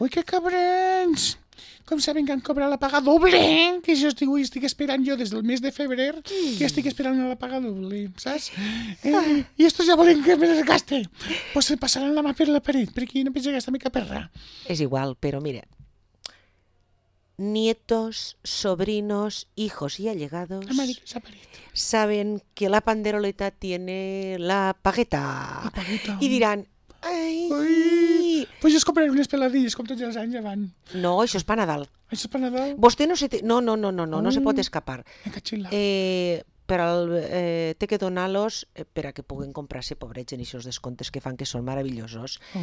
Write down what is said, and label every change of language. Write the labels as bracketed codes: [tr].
[ca] Ui, que cabrens! Com saben que han cobrat la paga doble? Que jo estic esperant jo des del mes de febrer que estic esperant la paga doble, saps? I estos ja volen que me les gaste. Pues se passaran la mà per la paret, perquè no penso gastar mica perra. És igual, però mira, [es] nietos, sobrinos, hijos y allegados saben que la panderoleta tiene la pagueta. Y dirán, ¡ay! [ca] Pues es comprar unes peladilles, com tots els anys van. No, això és per Nadal. Això és per Nadal? Vostè no se... No, no se pot escapar. Que xila. Però té que donar-los per a que puguen comprar-se, pobrets, en aquests descomptes que fan, que són meravellosos.